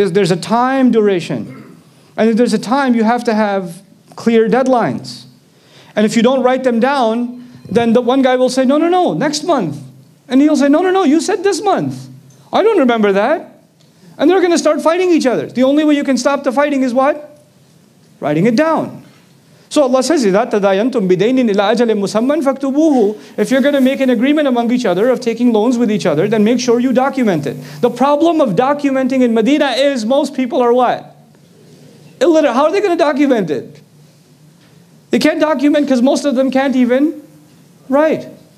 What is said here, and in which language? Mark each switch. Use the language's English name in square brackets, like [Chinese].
[English] There's a time duration. And if there's a time, you have to have clear deadlines. And if you don't write them down, then the one guy will say, no, next month. And he'll say, no, you said this month. I don't remember that. And they're gonna start fighting each other. The only way you can stop the fighting is what? Writing it down. So Allah says, [Arabic] إِذَا تَدَايَنْتُمْ بِدَيْنٍ إِلَىٰ أَجَلٍ مُسَمَّنْ فَاكْتُبُوهُ. [English] If you're going to make an agreement among each other of taking loans with each other, then make sure you document it. The problem of documenting in Medina is most people are what? Illiterate. How are they going to document it? They can't document because most of them can't even write.